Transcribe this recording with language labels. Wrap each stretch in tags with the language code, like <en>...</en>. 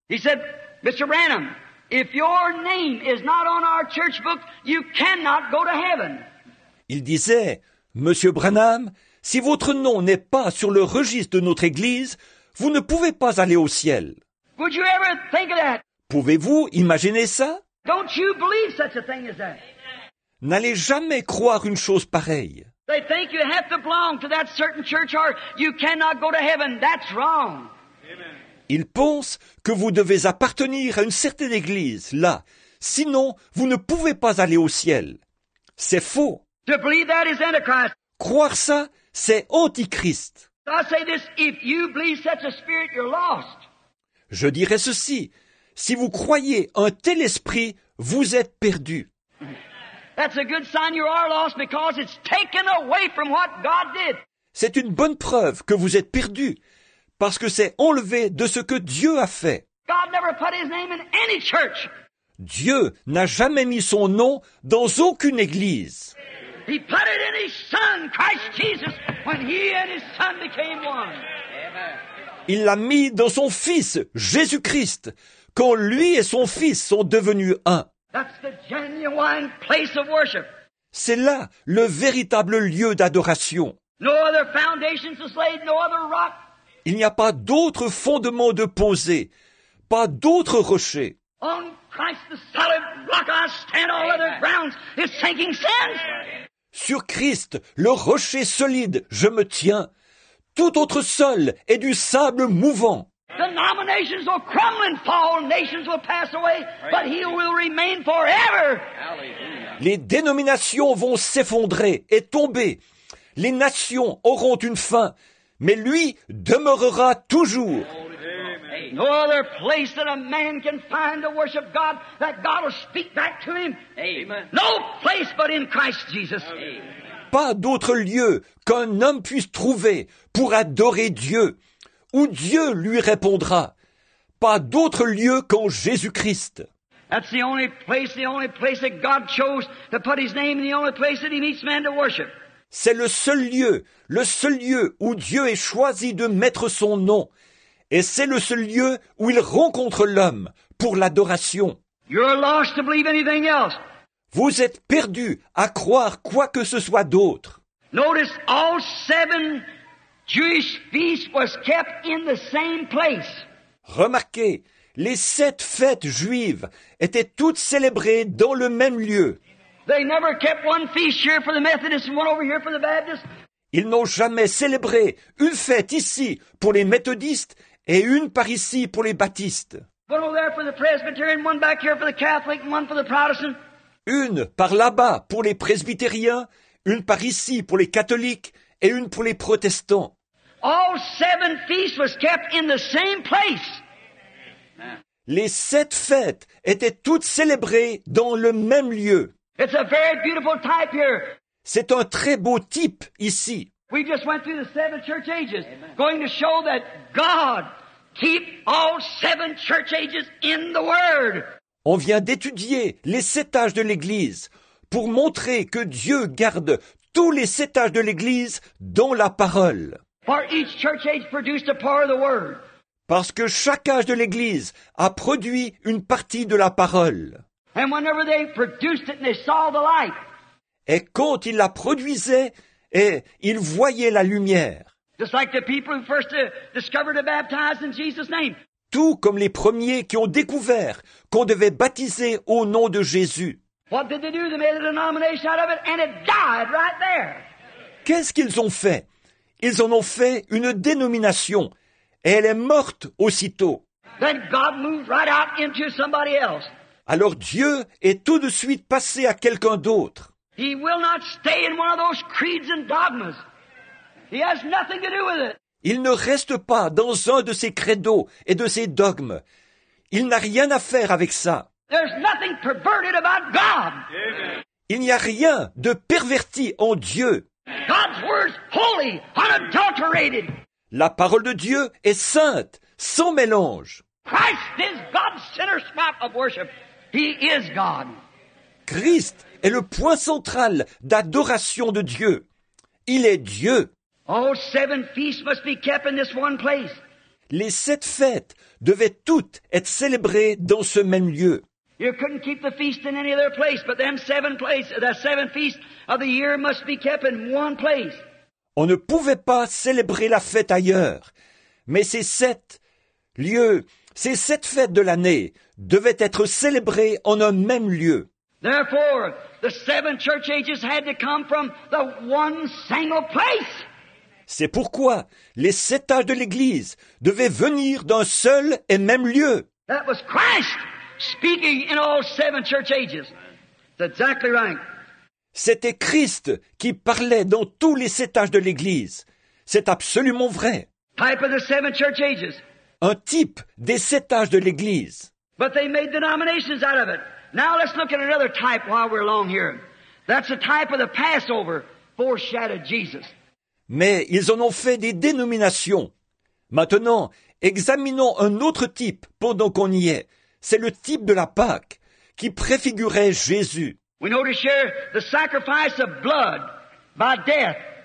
<en>He said, Mr. Branham, if your name is not on our church book, you cannot go to heaven.</en> <fr>Il disait, Monsieur Branham, si votre nom n'est pas sur le registre de notre église, vous ne pouvez pas aller au ciel.</fr> <en>Would you ever think of that?</en> <fr>Pouvez-vous imaginer ça?</fr> <en>Don't you believe such a thing as that?</en> <fr>N'allez jamais croire une chose pareille.</fr> <en>They think you have to belong to that certain church or you cannot go to heaven. That's wrong. Amen.</en> <fr>Ils pensent que vous devez appartenir à une certaine église, là. Sinon, vous ne pouvez pas aller au ciel. C'est faux.</fr> <en>To believe that is antichrist.</en> <fr>Croire ça, c'est antichrist.</fr> <en>I say this, if you believe such a spirit, you're lost.</en> <fr>Je dirais ceci. Si vous croyez un tel esprit, vous êtes perdu.</fr> <en>That's a good sign you are lost because it's taken away from what God did.</en> <fr>C'est une bonne preuve que vous êtes perdu parce que c'est enlevé de ce que Dieu a fait.</fr> <en>God never put his name in any church.</en> <fr>Dieu n'a jamais mis son nom dans aucune église.</fr> <en>He put it in his son, Christ Jesus, when he and his son became one.</en> <fr>Il l'a mis dans son fils, Jésus-Christ, quand lui et son fils sont devenus un.</fr> <en>That's the genuine place of worship.</en> <fr>C'est là le véritable lieu d'adoration.</fr> <en>No other foundations to slay, no other rock.</en> <fr>Il n'y a pas d'autre fondement de poser, pas d'autre rocher.</fr> <en>On Christ, the solid rock I stand, all other grounds is sinking sand.</en> <fr>Sur Christ, le rocher solide, je me tiens. Tout autre sol est du sable mouvant.</fr> <en>The nominations will crumble and fall, nations will pass away, but he will remain forever.</en> <fr>Les dénominations vont s'effondrer et tomber. Les nations auront une fin, mais lui demeurera toujours.</fr> <en>No other place that a man can find to worship God, that God will speak back to him. Amen. No place but in Christ Jesus. Amen.</en> <fr>Pas d'autre lieu qu'un homme puisse trouver pour adorer Dieu, où Dieu lui répondra. Pas d'autre lieu qu'en Jésus-Christ.</fr> <en>That's the only place that God chose to put his name, and the only place that he meets man to worship.</en> <fr>C'est le seul lieu où Dieu ait choisi de mettre son nom. Et c'est le seul lieu où il rencontre l'homme pour l'adoration.</fr> <en>You're lost to believe anything else.</en> <fr>Vous êtes perdu à croire quoi que ce soit d'autre.</fr> <en>Notice all seven Jewish feasts was kept in the same place.</en> <fr>Remarquez, les sept fêtes juives étaient toutes célébrées dans le même lieu.</fr> <en>They never kept one feast here for the Methodists and one over here for the Baptists.</en> <fr>Ils n'ont jamais célébré une fête ici pour les méthodistes et une par ici pour les baptistes.</fr> <en>One over there for the Presbyterian, one back here for the Catholic, one for the Protestant.</en> <fr>Une par là-bas pour les presbytériens, une par ici pour les catholiques et une pour les protestants.</fr> <en>All seven feasts was kept in the same place.</en> <fr>Les sept fêtes étaient toutes célébrées dans le même lieu.</fr> <en>It's a very beautiful type here.</en> <fr>C'est un très beau type ici.</fr> <en>We just went through the seven church ages. Amen. Going to show that God keep all seven church ages in the Word.</en> <fr>On vient d'étudier les sept âges de l'Église pour montrer que Dieu garde tous les sept âges de l'Église dans la parole.</fr> <en>For each church age produced a part of the Word.</en> <fr>Parce que chaque âge de l'Église a produit une partie de la parole.</fr> <en>And whenever they produced it and they saw the light.</en> <fr>Et quand ils la produisaient, et ils voyaient la lumière.</fr> <en>Just like the people who first discovered to baptize in Jesus' name.</en> <fr>Tout comme les premiers qui ont découvert qu'on devait baptiser au nom de Jésus.</fr> <en>What did they do? They made a denomination out of it and it died right there.</en> <fr>Qu'est-ce qu'ils ont fait? Ils en ont fait une dénomination et elle est morte aussitôt.</fr> <en>Then God moved right out into somebody else.</en> <fr>Alors Dieu est tout de suite passé à quelqu'un d'autre.</fr> <en>He will not stay in one of those creeds and dogmas. He has nothing to do with it.</en> <fr>Il ne reste pas dans un de ces credos et de ces dogmes. Il n'a rien à faire avec ça.</fr> <en>There's nothing perverted about God.</en> <fr>Il n'y a rien de perverti en Dieu.</fr> <en>God's word's holy, unadulterated.</en> <fr>La parole de Dieu est sainte, sans mélange.</fr> <en>Christ is God's center spot of worship. He is God.</en> <fr>Christ est le point central d'adoration de Dieu. Il est Dieu.</fr> <en>All seven feasts must be kept in this one place.</en> <fr>Les sept fêtes devaient toutes être célébrées dans ce même lieu.</fr> <en>You couldn't keep the feast in any other place, but them seven places, the seven feasts of the year must be kept in one place.</en> <fr>On ne pouvait pas célébrer la fête ailleurs, mais ces sept lieux, ces sept fêtes de l'année devaient être célébrées en un même lieu.</fr> <en>Therefore, the seven church ages had to come from the one single place.</en> <fr>C'est pourquoi les sept âges de l'Église devaient venir d'un seul et même lieu.</fr> <en>That was Christ speaking in all seven church ages. That's exactly right.</en> <fr>C'était Christ qui parlait dans tous les sept âges de l'Église. C'est absolument vrai.</fr> <en>Type of the seven church ages.</en> <fr>Un type des sept âges de l'Église.</fr> <en>But they made denominations out of it. Now let's look at another type while we're along here. That's the type of the Passover foreshadowed Jesus.</en> <fr>Mais ils en ont fait des dénominations. Maintenant, examinons un autre type pendant qu'on y est. C'est le type de la Pâque qui préfigurait Jésus.</fr> <en>We notice here the sacrifice of blood by death.</en>